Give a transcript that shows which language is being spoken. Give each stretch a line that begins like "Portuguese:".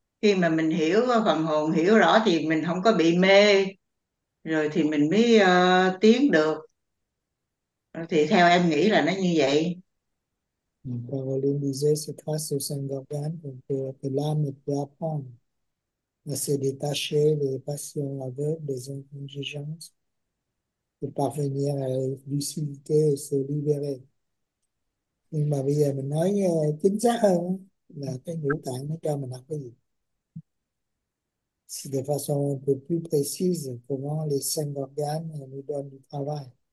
Vietnamese: Khi mà mình hiểu phần hồn hiểu rõ thì mình không có bị mê, rồi thì mình mới tiến được. Thì theo em nghĩ là nó như vậy.
French: Paroline disait, c'est grâce aux cinq organes que l'âme peut apprendre à se détacher des passions aveugles, des intransigeances, et parvenir à la lucidité et se libérer.
Vietnamese: Nhưng mà bây giờ mình nói chính xác hơn là cái ngũ tạng nó cho mình học cái gì.
French: C'est de façon un peu plus précise comment les cinq organes nous donnent du travail.